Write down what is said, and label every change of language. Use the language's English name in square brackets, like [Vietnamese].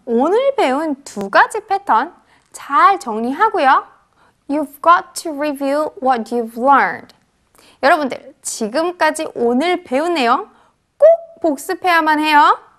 [Korean] 오늘 배운 두 가지 패턴 잘 정리하고요. [English] You've got to review what you've learned. [Korean] 여러분들, 지금까지 오늘 배운 내용 꼭 복습해야만 해요.